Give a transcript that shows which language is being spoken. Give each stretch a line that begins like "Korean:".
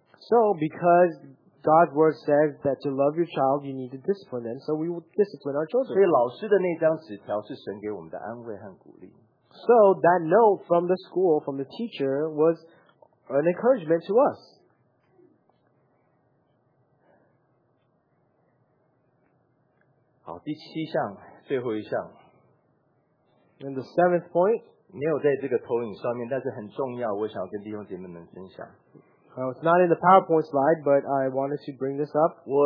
English: So because God's word says that to love your child, you need to discipline them, so we will discipline our children.
Chinese: 所以老师的那张纸条是神给我们的安慰和鼓励。
English: So that note from the school, from the teacher, was an encouragement to us.
Chinese: 好,第七项,最后一项。
English: And the seventh point,
Chinese: 没有在这个投影上面,但是很重要,我想要跟弟兄姐妹们分享。
English: Well, it's not in the PowerPoint slide, but I wanted to bring this up.